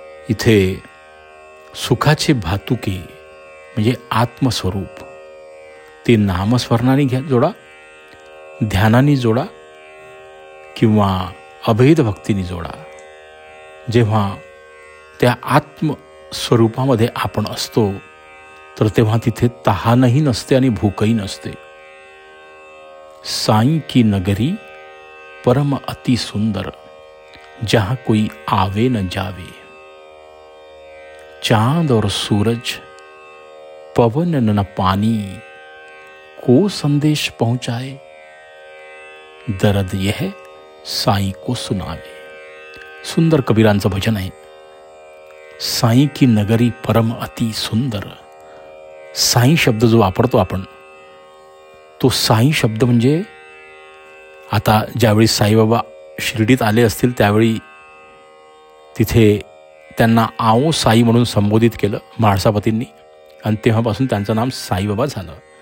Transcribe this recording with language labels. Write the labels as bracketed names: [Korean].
[Marathi] इथे सुखाचे भातुके म्हणजे आत्मस्वरूप ते नामस्मरणाने घ्या जोडा ध्यानाने जोडा किंवा अभेद भक्तीने जोडा। जेव्हा त्या आत्मस्वरूपामध्ये आपण असतो तर तेव्हा तिथे तहानही नसते आणि भूकही नसते। [Hindi] साई की नगरी परम अति सुंदर जहां कोई आवे न जावे चांद और सूरज पवन न पानी को संदेश पहुंचाए दर्द यह साई को सुनावे। [Marathi] सुंदर कबीरांचं भजन आहे। [Hindi] साई की नगरी परम अति सुंदर। [Marathi] साई शब्द जो वापरतो आपण तो साई शब्द म्हणजे आता ज्यावेळी साईबाबा शिर्डीत आले असतील त्यावेळी तिथे त्यांना [Hindi] आओ साई [Marathi] म्हणून संबोधित केलं म्हाळसापतींनी आणि तेव्हापासून त्यांचं नाम साईबाबा झालं।